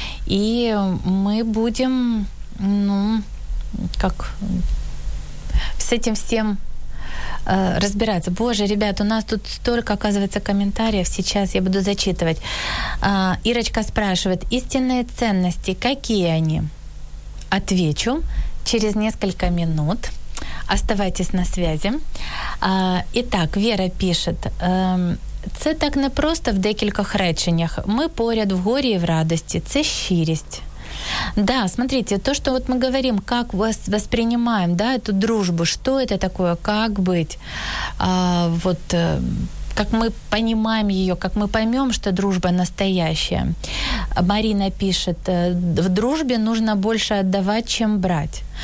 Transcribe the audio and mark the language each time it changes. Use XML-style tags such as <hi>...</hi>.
<ru>И мы будем, ну, как с этим всем разбираться. Боже, ребят, у нас тут столько, оказывается, комментариев. Сейчас я буду зачитывать. Ирочка спрашивает: истинные ценности, какие они? Отвечу через несколько минут. Оставайтесь на связи. Итак, Вера пишет:</ru> <uk>«Це так не просто в декількох реченнях. Ми поряд в горі і в радості. Це щирість».</uk> <ru>Да, смотрите, то, что вот мы говорим, как воспринимаем, да, эту дружбу, что это такое, как быть, вот как мы понимаем ее, как мы поймем, что дружба настоящая. Марина пишет: «В дружбе нужно больше отдавать, чем брать».</ru>